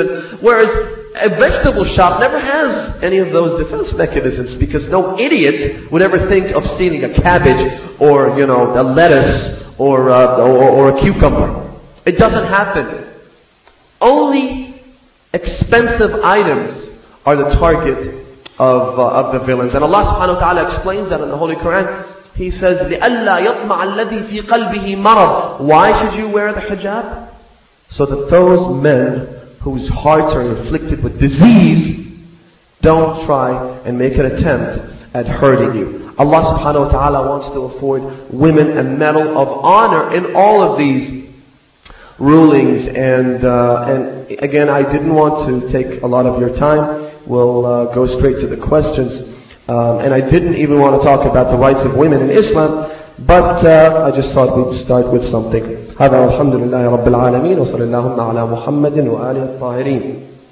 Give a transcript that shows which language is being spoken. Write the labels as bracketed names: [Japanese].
[English] And whereas a vegetable shop never has any of those defense mechanisms, because no idiot would ever think of stealing a cabbage or, you know, a lettuce or a cucumber. It doesn't happen. Only expensive items are the target of the villains. And Allah subhanahu wa ta'ala explains that in the Holy Quran. He says, [Arabic] لِأَلَّا يَطْمَعَ الَّذِي فِي قَلْبِهِ مَرَضٍ. [English] Why should you wear the hijab? So that those men whose hearts are afflicted with disease don't try and make an attempt at hurting you. Allah subhanahu wa ta'ala wants to afford women a medal of honor in all of these rulings. And again, I didn't want to take a lot of your time. We'll go straight to the questions. And I didn't even want to talk about the rights of women in Islam, but I just thought we'd start with something. [Arabic] هذا الحمد لله رب العالمين وصلى الله على محمد وآل الطاهرين.